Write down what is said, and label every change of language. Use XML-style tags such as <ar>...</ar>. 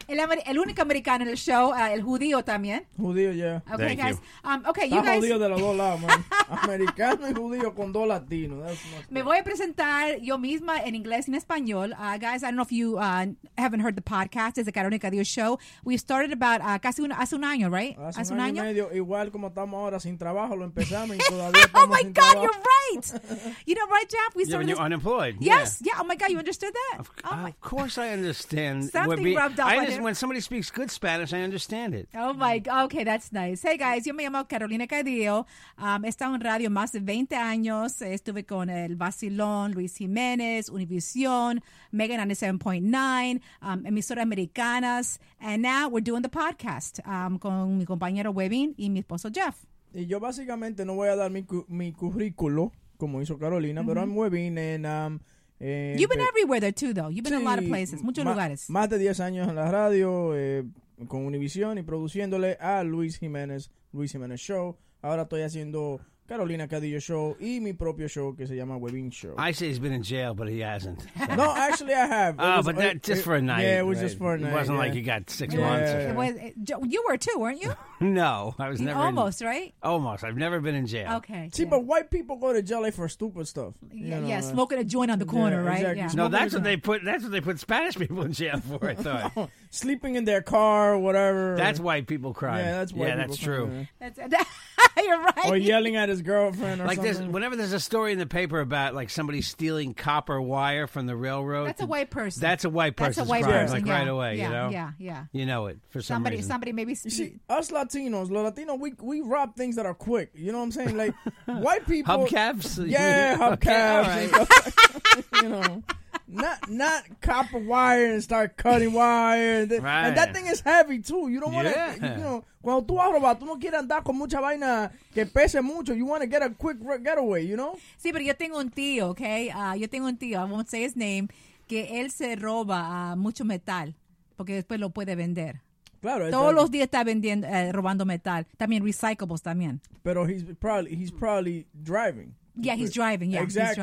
<es>El único americano en el show, el judío también. Judío, yeah.</es> <en>Okay, thank guys. You. Okay,</en> <es>está</es> <en>you guys.</en> <es>Está judío de los dos lados, man. Americano y judío con dos latinos. That's my Me voy a presentar yo misma en inglés y en español.</es> <en>Guys, I don't know if you haven't heard the podcast. It's the Carolina Cadillo Show. We started about</en> <es>hace un año,</es> <en>right?</en> <es>Hace un año y medio. Igual como estamos ahora sin trabajo, lo empezamos y todavía</es> <en>Oh, my God,</en> <es>trabajo.</es> <en>You're right. You know, right, Jeff? We started you're unemployed. Yes, yeah. Yeah. Oh, my God, you understood? That? Of course I understand. Something rubbed off on when somebody speaks good Spanish, I understand it. Oh, my God. Okay, that's nice. Hey, guys,</en> <es>yo me llamo Carolina Cadillo. He estado en radio más de 20 años. Estuve con el Vacilón, Luis Jiménez, Univision, Megan 97.9, emisoras americanas.</es> <en>And now we're doing the podcast</en> <es>con mi compañero Webin y mi esposo Jeff. Y yo básicamente no voy a dar mi currículo, como hizo Carolina, mm-hmm.</es> <en>pero I'm Webin and... You've been everywhere there too, though. You've been</en> <es>sí,</es> <en>a lot of places,</en> <es>muchos lugares. Más de 10 años en la radio, con Univision y produciéndole a Luis Jiménez Show. Ahora estoy haciendo Carolina Cadillo Show y mi propio show que se llama Webin Show.</es> <en>I say he's been in jail, but he hasn't. No, actually, I have. But just for a night. Yeah, it was right. Just for a night. It wasn't like you got six months. You were too, weren't you? No, I was never almost, right? Almost. I've never been in jail. Okay. See, yeah. But white people go to jail for stupid stuff. You know, smoking a joint on the corner, yeah, right? Exactly. Yeah. No, that's what they put. That's what they put Spanish people in jail for. I thought sleeping in their car, or whatever. That's white people crying. Yeah, that's white. Yeah, that's true. That's, you're right. Or yelling at his girlfriend, or like something. This. Whenever there's a story in the paper about like somebody stealing copper wire from the railroad, that's a white person. That's a white person. That's a white person. Like yeah. Right away, yeah, you know. Yeah. You know it for somebody. Some somebody maybe. You see, Latinos, we rob things that are quick. You know what I'm saying? Like, white people. Hubcaps? Yeah, hubcaps. Right. You know, not copper wire and start cutting wire. Right. And that thing is heavy, too. You don't want to, you know,</en> <es>cuando tú vas a robar, tú no quieres andar con mucha vaina que pese mucho.</es> <en>You want to get a quick getaway, you know?</en> <es>Sí, pero yo tengo un tío, okay? Yo tengo un tío,</es> <en>I won't say his name,</en> <es>que él se roba mucho metal porque después lo puede vender. Claro, todos los días está vendiendo, robando metal. También recyclables también.</es> <en>Pero he's probably driving. Yeah, he's driving. Yeah, exactly.</en>